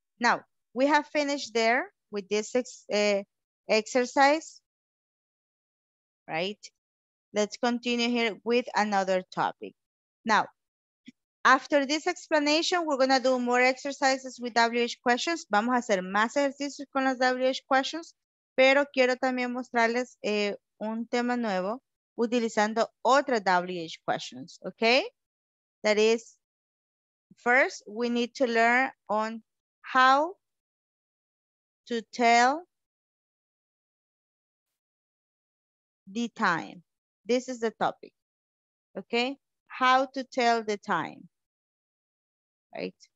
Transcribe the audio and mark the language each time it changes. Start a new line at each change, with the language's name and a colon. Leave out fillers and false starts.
English: Now, we have finished there with this exercise. Right? Let's continue here with another topic. Now, after this explanation, we're going to do more exercises with WH questions.
Spanish: Vamos a hacer más ejercicios con las WH questions. Pero quiero también mostrarles un tema nuevo utilizando otra WH questions, okay?
English: That is, first, we need to learn on how to tell the time. This is the topic, okay? How to tell the time, right?